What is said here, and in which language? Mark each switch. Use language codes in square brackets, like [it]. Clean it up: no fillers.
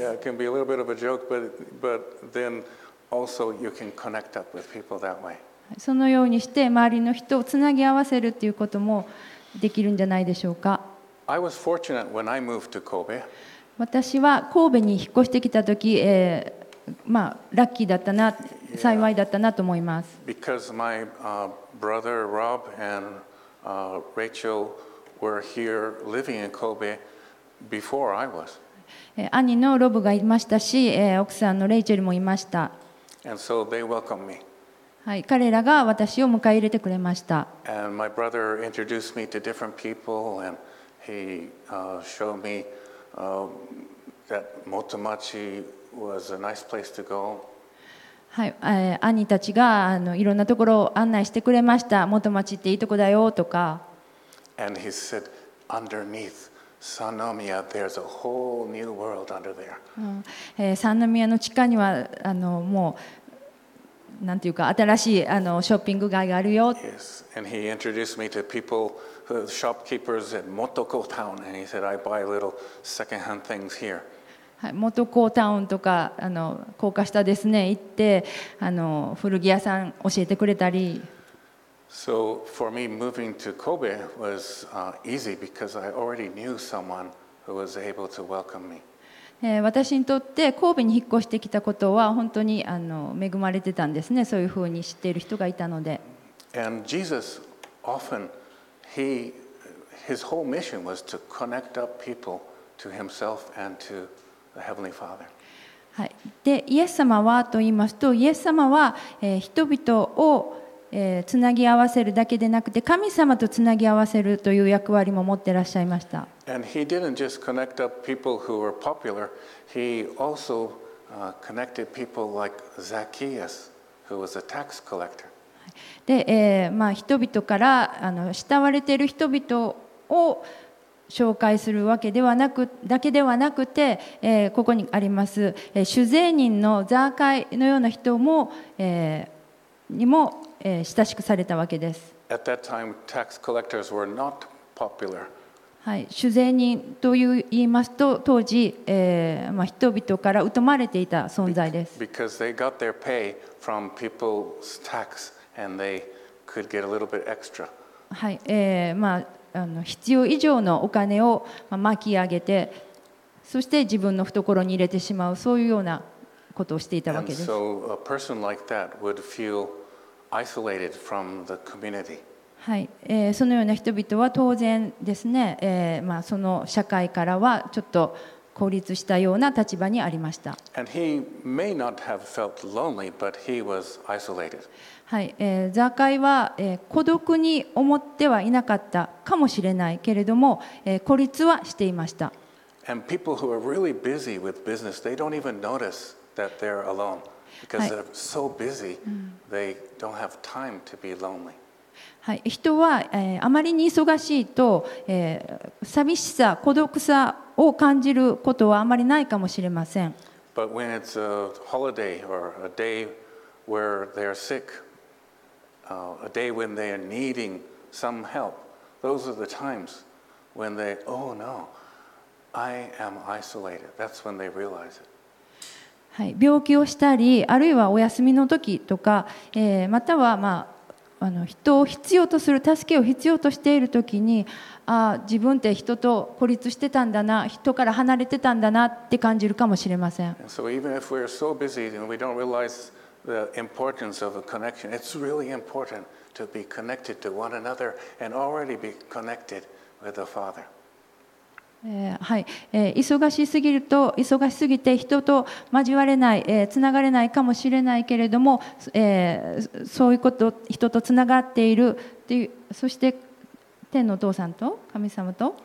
[en] Yeah, it can be a little bit of a joke, but then. Also, you can connect up with people that way. [ja] そのようにして周りの人をつなぎ合わせるっていうこともできるんじゃないでしょうか。 [en] I was fortunate when I moved to Kobe. [ja] 私は神戸に引っ越してきた時、まあラッキーだったな、幸いだったなと思います。 [en] Yeah. Because my brother Rob and Rachel were here living in Kobe before I was. [ja] 兄のロブがいましたし、奥さんのレイチェルもいました。 [en] And so they welcomed me. [ja] はい、彼らが私を迎え入れてくれました。 [en] And my brother introduced me to different people, and he showed me that Motomachi was a nice place to go. [ja] はい、兄たちがいろんなところを案内してくれました。元町っていいとこだよとか。 [en] And he said, underneath Sanomiya, there's a whole new world under there. [ja] Sanomiya の地下にはあのもうなんていうか新しいあのショッピング街があるよ。 [en] Yes, and he introduced me to people, the shopkeepers at Motoko Town, and he said, I buy little second-hand things here. [ja] モトコータウンとかあの高架下ですね行ってあの古着屋さん教えてくれたり。 [en] So for me moving to Kobe was easy because I already knew someone who was able to welcome me. [ja] 私にとって神戸に引っ越してきたことは本当にあの恵まれてたんですね。そういうふうに知っている人がいたので。 [en] And Jesus often his whole mission was to connect up people to himself and toHeavenly Father. [ja] はい、でイエス様はと言いますとイエス様は、人々を、つなぎ合わせるだけでなくて神様とつなぎ合わせるという役割も持っていらっしゃいました。 [en] And he didn't just connect up people who were popular. He also connected people like Zacchaeus, who was a tax collector. [ja] で、まあ、人々からあの慕われている人々を紹介するわけではなくだけではなくて、ここにあります、主税人のザーカイのような人も、にも、親しくされたわけです。 [en] At that time, tax collectors were not popular. [ja] はい、主税人という言いますと当時、まあ、人々から疎まれていた存在です。 [en] Because they got their pay from people's tax and they could get a little bit extra. [ja] はい、まあ。あの必要以上のお金を巻き上げてそして自分の懐に入れてしまうそういうようなことをしていたわけです。 [en] And so a person like that would feel isolated from the community. [ja] はい、そのような人々は当然ですね、まあ、その社会からはちょっと孤立したような立場にありました。 [en] And he may not have felt lonely, but he was isolated. [ja] はい、ザーカイは、孤独に思ってはいなかったかもしれないけれども、孤立はしていました。 [en] And people who are really busy with business, they don't even notice that they're alone because they're so busy, they don't have time to be lonely. [ja] はい、人は、あまりに忙しいと、寂しさ、孤独さを感じることはあまりないかもしれません。 [en] But when it's a holiday or a day where they're sicka day when they are needing some help. Those are the times when they, oh no, I am isolated. That's when they realize it. [ja] はい、病気をしたり、あるいはお休みの時とか、または、まあ、あの人を必要とする、助けを必要としている時に、ああ、自分って人と孤立してたんだな、人から離れてたんだなって感じるかもしれません。 [en] So even if we're so busy and we don't realize. The importance of a connection. It's really important to be connected to one another and already be connected with the Father. [ja] はい、忙しすぎると忙しすぎて人と交われない、つながれないかもしれないけれども、そういうこと人とつながっているっていう、そして天のお父さんと神様と。